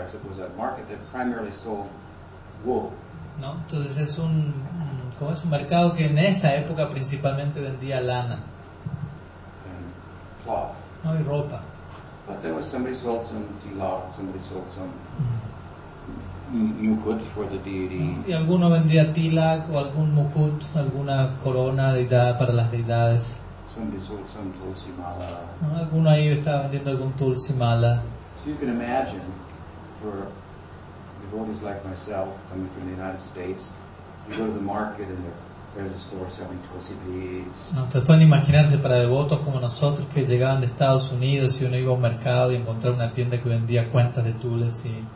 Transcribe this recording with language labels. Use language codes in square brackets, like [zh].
[en] It was a market that primarily sold wool. [es] No, entonces es un, ¿cómo es? Un mercado que en esa época principalmente vendía lana. [en] And cloth. [es] No, y ropa. [en] But there was somebody sold some tilak, somebody sold some mukut for the deity. [es] Y alguno vendía tilak o algún mukut, alguna corona deidad para las deidades. [en] Somebody sold some tulsi mala. [es] No, alguno ahí estaba vendiendo algún tulsi mala. [en] So you can imagine, for devotees like myself, coming from the United States, you go to the market and there's a store selling tulsi beads. [es] No, te pueden imaginarse para devotos como nosotros que llegaban de Estados Unidos y uno iba a un mercado y encontraba una tienda que vendía cuentas de tules y.